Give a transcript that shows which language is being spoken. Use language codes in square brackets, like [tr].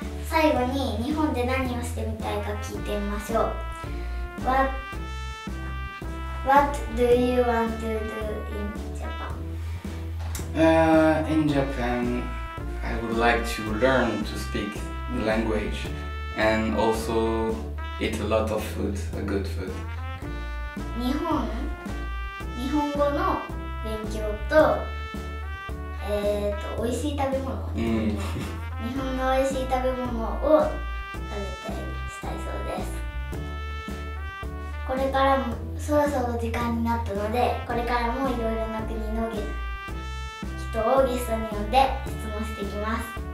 [ja] 最後に日本で何をしてみたいか聞いてみましょう。 [en] What do you want to do in Japan? In Japan, I would like to learn to speak the language and also eat a lot of food, a good food. [ja] 日本語の勉強と、美味しい食べ物。日本の美味しい食べ物を食べたりしたいそうです。これからもそろそろ時間になったので、これからもいろいろな国の人をゲストに呼んで質問していきます。